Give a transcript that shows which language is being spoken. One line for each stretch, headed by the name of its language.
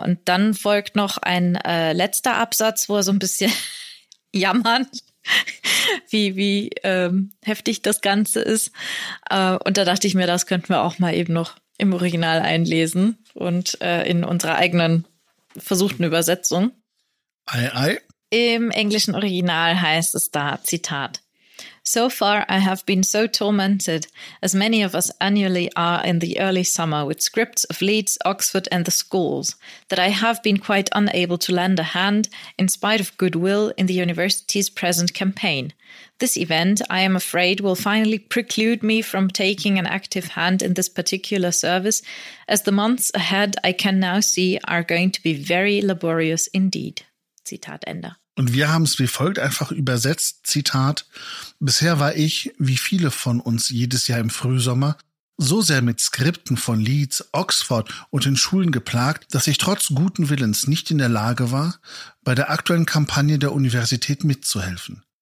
German: Und dann folgt noch ein letzter Absatz, wo er so ein bisschen jammert, wie heftig das Ganze ist. Und da dachte ich mir, das könnten wir auch mal eben noch im Original einlesen und in unserer eigenen versuchten Übersetzung. Ei, ei. Im englischen Original heißt es da, Zitat:
English: "So far I have been so tormented, as many of us annually are in the early summer, with scripts of Leeds, Oxford and the schools, that I have been quite unable to lend a hand, in spite of goodwill, in the university's present campaign. This event, I am afraid, will finally preclude me from taking an active hand in this particular service, as the months ahead, I can now see, are going to be very laborious indeed."
German: Zitat Ende. Und wir haben es wie folgt einfach übersetzt, Zitat: "Bisher war ich, wie viele von uns jedes Jahr im Frühsommer, so sehr mit Skripten von Leeds, Oxford und den Schulen geplagt, dass ich trotz guten Willens nicht in der Lage war, bei der aktuellen Kampagne der Universität mitzuhelfen.